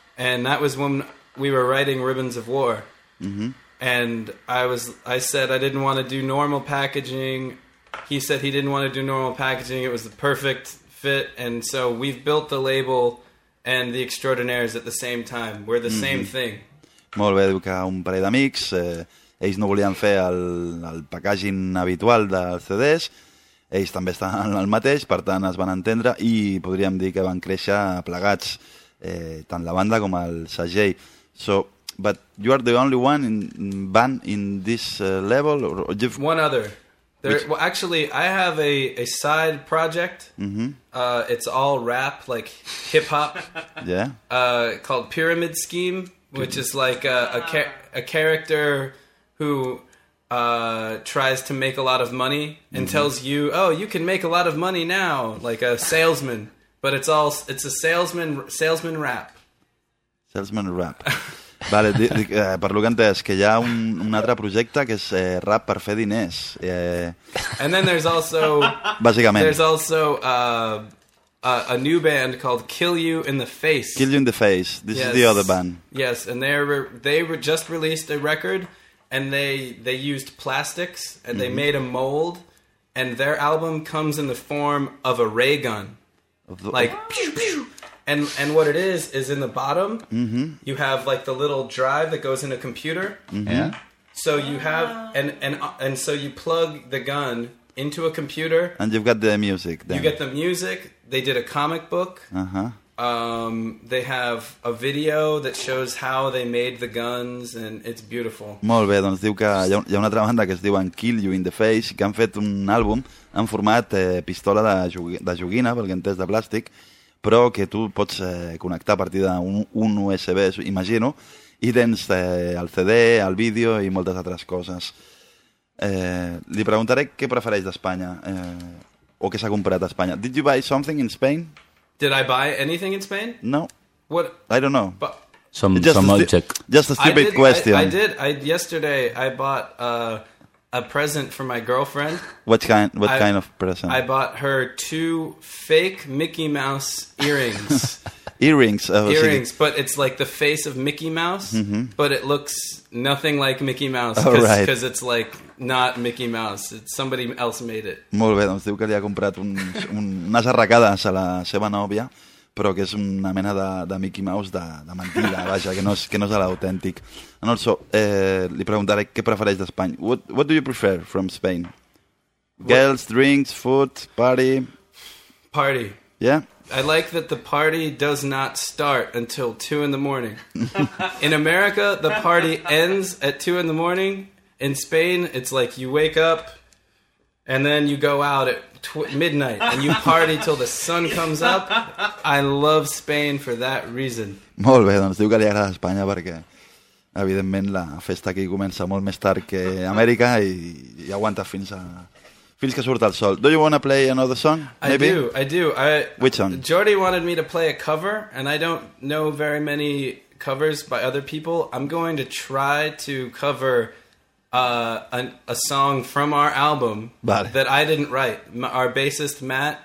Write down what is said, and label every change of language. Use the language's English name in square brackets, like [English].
[English] And that was when we were writing Ribbons of War. Mm-hmm. And I said I didn't want to do normal packaging. He said he didn't want to do normal packaging. It was the perfect fit. And so we've built the label and The Extraordinaires at the same time. We're the mm-hmm. same thing. [Catalan] Molt bé, diu que un parell d'amics, ells no volien fer el packaging habitual dels CDs. Ells també estan en el mateix, per tant es van entendre i podríem dir que van créixer plegats, tant la banda com el segell. [English] So, but you are the only one in band in this level? Or you've... One other. Actually, I have a side project. Mm-hmm. It's all rap, like hip-hop. Yeah. Called Pyramid Scheme, which is like a character who tries to make a lot of money and mm-hmm. tells you, oh, you can make a lot of money now, like a salesman. But it's a salesman rap. Salesman rap. [Catalan] Vale, per lo que entès, que hi ha un altre projecte que és rap per fer diners. [English] And then there's also... [Catalan] Bàsicament. [English] There's also a new band called Kill You in the Face. Kill You in the Face. This yes. is the other band. Yes, and they just released a record, and they used plastics, and mm-hmm. they made a mold, and their album comes in the form of a ray gun. Like, pew, pew. And what it is in the bottom, mm-hmm. you have like the little drive that goes in a computer. Mm-hmm. Yeah. So you have, and so you plug the gun into a computer. And you've got the music. Then. You get the music. They did a comic book. Uh-huh. They have a video that shows how they made the guns, and it's beautiful. [Catalan] Molt bé, doncs diu que hi ha una altra banda que es diuen Kill You in the Face, que han fet un àlbum en format pistola de joguina, pel que entès, de plàstic, però que tu pots connectar a partir d'un USB, imagino, i tens el CD, el vídeo i moltes altres coses. Li preguntaré què prefereix d'Espanya, o què s'ha comprat a Espanya. [English] Did you buy something in Spain? Did I buy anything in Spain? No. What? I don't know. But some object. Just a stupid question. Yesterday I bought a present for my girlfriend. What kind of present? I bought her two fake Mickey Mouse earrings. Earrings. Earrings, but it's like the face of Mickey Mouse, mm-hmm. but it looks nothing like Mickey Mouse because right. it's like not Mickey Mouse. It's somebody else made it. [Catalan] Molt bé, doncs diu que li ha comprat unes arracades a la seva nòvia, però que és una mena de Mickey Mouse de mentida, vaja, que no és l'autèntic. [English] And also, [Catalan] li preguntaré què prefereix d'Espanya. [English] What do you prefer from Spain? Girls, drinks, food, party? Party. Yeah? I like that the party does not start until 2 in the morning. In America, the party ends at 2 in the morning. In Spain, it's like you wake up and then you go out at midnight and you party till the sun comes up. I love Spain for that reason. [Catalan] Molt bé, doncs diu que li agrada Espanya perquè evidentment la festa aquí comença molt més tard que Amèrica i aguanta fins que surt el sol. [English] Do you want to play another song? Maybe? I do. Which song? Jordi wanted me to play a cover, and I don't know very many covers by other people. I'm going to try to cover a song from our album [Catalan] vale. [English] that I didn't write. Our bassist, Matt